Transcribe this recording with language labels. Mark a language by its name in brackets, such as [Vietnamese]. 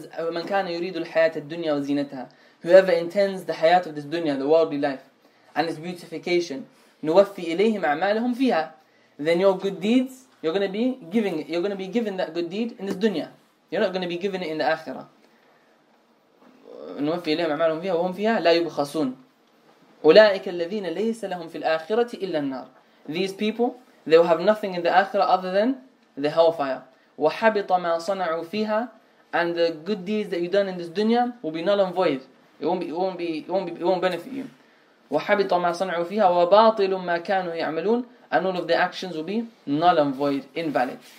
[Arabic] من كان يريد الحياة الدنيا وزينتها, [English] whoever intends the hayat of this dunya, the worldly life and its beautification, [Arabic] نوفي إليهم أعمالهم فيها, [English] then your good deeds, you're going to be given that good deed in this dunya. You're not going to be given it in the Akhirah. [Arabic] نوفي إليهم أعمالهم فيها وهم فيها لا يبخسون أولئك الذين ليس لهم في الآخرة إلا النار. [English] These people, they will have nothing in the Akhirah other than the hellfire. [Arabic] وحبط ما صنعوا فيها, [English] and the good deeds that you've done in this dunya will be null and void. It won't benefit you. [Arabic] وحبط ما صنعوا فيها وباطل ما كانوا يعملون, [English] and all of the actions will be null and void, invalid.